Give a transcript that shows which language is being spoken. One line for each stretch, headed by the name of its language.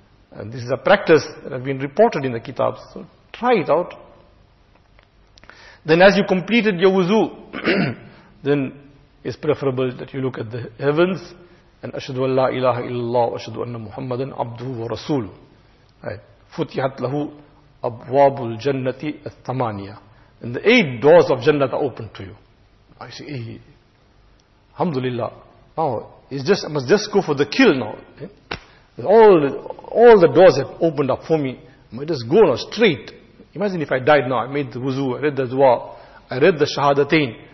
English: And this is a practice that has been reported in the kitabs. So try it out. Then as you completed your wuzu, then it's preferable that you look at the heavens and
Arabic: أشهد أن لا إله إلا الله وأشهد أن محمدا عبده ورسول. فتحت له أبواب الجنة الثمانية.
English: And the 8 doors of Jannah are open to you. I say, hey, Alhamdulillah. Now, I must just go for the kill now. All the doors have opened up for me. I just go now straight. Imagine if I died now, I made the wuzu, I read the dua, I read the shahadatain.